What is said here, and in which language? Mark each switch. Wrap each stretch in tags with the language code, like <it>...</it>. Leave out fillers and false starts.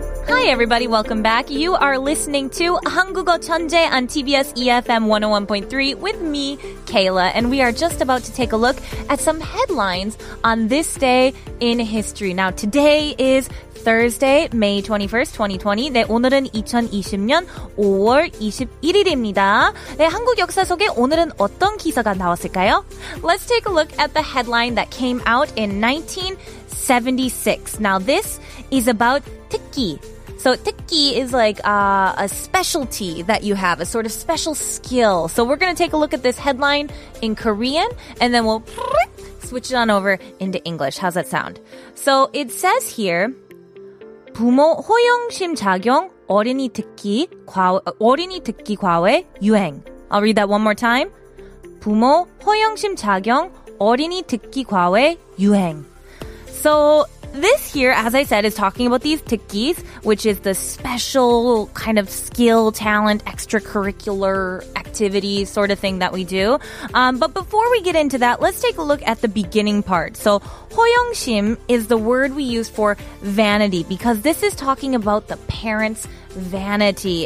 <en>Hi everybody, welcome back. You are listening to 한국어 천재 on TBS EFM 101.3 with me, Kayla, and we are just about to take a look at some headlines on this day in history. Now today is Thursday, May 21st, 2020.</en> <ko>네, 오늘은 2020년 5월 21일입니다. 네, 한국 역사 속에 오늘은 어떤 기사가 나왔을까요?</ko> <en>Let's take a look at the headline that came out in 1976. Now, this is about 특기. So, 특기 is like a specialty that you have, a sort of special skill. So, we're going to take a look at this headline in Korean, and then we'll switch it on over into English. How's that sound? So, it says here,</en> <ko>부모 허용심 작용 어린이 특기 과외 유행.</ko> <en>I'll read that one more time.</en> <ko>부모 허용심 작용 어린이 특기 과외 유행.</ko> <en>So this here, as I said, is talking about these 특기s, which is the special kind of skill, talent, extracurricular activity sort of thing that we do. But before we get into that, let's take a look at the beginning part. So 허용심 is the word we use for vanity because this is talking about the parents' vanity.</en>